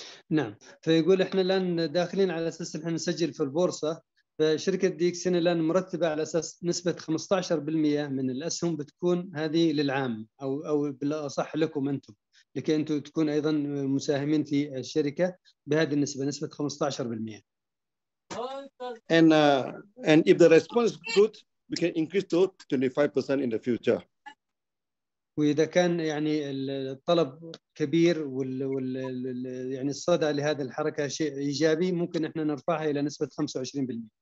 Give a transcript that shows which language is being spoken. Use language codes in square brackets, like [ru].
[ar] نعم فيقول احنا الان داخلين على اساس احنا نسجل في البورصه فشركه ديكسن الان مرتبه على اساس نسبه 15% من الاسهم بتكون هذه للعام او بالاصح لكم انتم لكي انتم تكون ايضا مساهمين في الشركه بهذه النسبه نسبه 15% [en] and if the response is good we can increase to 25% in the future [ar] وإذا كان يعني الطلب كبير وال يعني الصدى لهذه الحركة شيء إيجابي ممكن إحنا نرفعها إلى نسبة 25%.